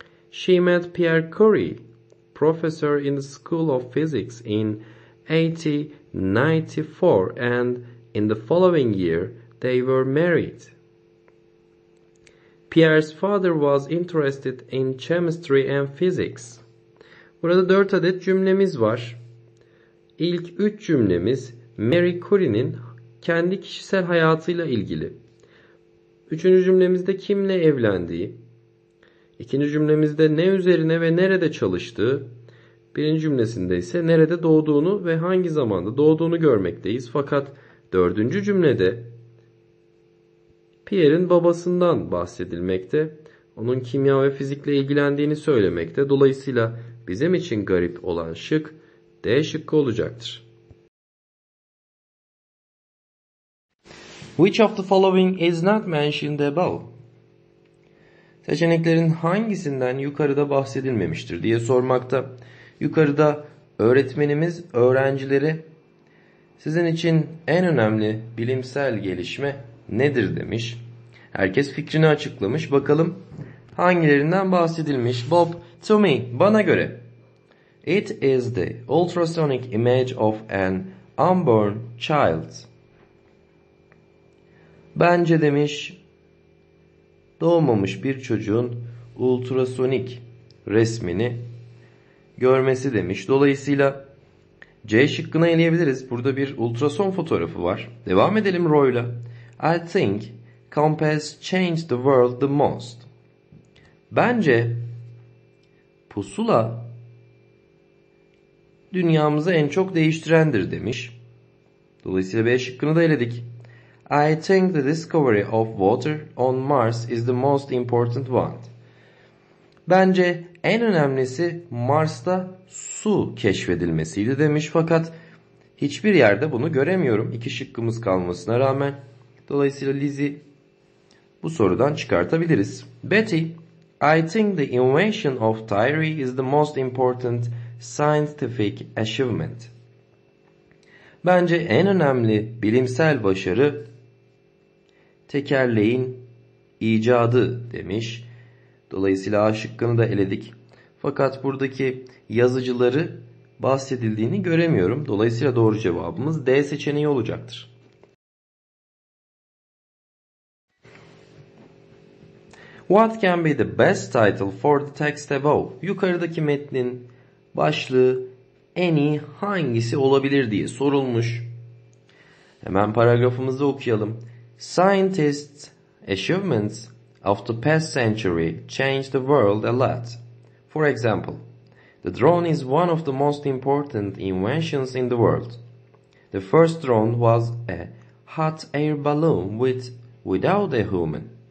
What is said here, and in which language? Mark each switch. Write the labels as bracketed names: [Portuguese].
[English] She met Pierre Curie, professor in the School of Physics in 1894 and in the following year they were married. Pierre's father was interested in chemistry and physics. [Turkish] Burada 4 adet cümlemiz var. İlk 3 cümlemiz Marie Curie'nin kendi kişisel hayatıyla ilgili. Üçüncü cümlemizde kimle evlendiği. İkinci cümlemizde ne üzerine ve nerede çalıştığı. Birinci cümlesinde ise nerede doğduğunu ve hangi zamanda doğduğunu görmekteyiz. Fakat dördüncü cümlede Pierre'in babasından bahsedilmekte. Onun kimya ve fizikle ilgilendiğini söylemekte. Dolayısıyla bizim için garip olan şık D şıkkı olacaktır. [English] Which of the following is not mentioned above? [Turkish] Seçeneklerin hangisinden yukarıda bahsedilmemiştir diye sormakta. Yukarıda öğretmenimiz öğrencileri sizin için en önemli bilimsel gelişme nedir demiş. Herkes fikrini açıklamış. Bakalım hangilerinden bahsedilmiş. [English] Bob, to me, [Turkish] bana göre. [English] It is the ultrasonic image of an unborn child. [Turkish] Bence demiş doğmamış bir çocuğun ultrasonik resmini görmesi demiş. Dolayısıyla C şıkkına eleyebiliriz. Burada bir ultrason fotoğrafı var. Devam edelim Roy'la. [English] I think compass changed the world the most. [Turkish] Bence pusula dünyamızı en çok değiştirendir demiş. Dolayısıyla B şıkkını da eledik. [English] I think the discovery of water on Mars is the most important one. [Turkish] Bence en önemlisi Mars'ta su keşfedilmesiydi demiş, fakat hiçbir yerde bunu göremiyorum iki şıkkımız kalmasına rağmen. Dolayısıyla Lizzie, bu sorudan çıkartabiliriz. [English] Betty, I think the invention of Tyree is the most important scientific achievement. [Turkish] Bence en önemli bilimsel başarı tekerleğin icadı demiş. Dolayısıyla A şıkkını da eledik. Fakat buradaki yazıcıları bahsedildiğini göremiyorum. Dolayısıyla doğru cevabımız D seçeneği olacaktır. [English] What can be the best title for the text above? [Turkish] Yukarıdaki metnin başlığı en iyi hangisi olabilir diye sorulmuş. Hemen paragrafımızı okuyalım. [English] Scientists' achievements of the past century changed the world a lot. For example, the drone is one of the most important inventions in the world. The first drone was a hot air balloon without a human.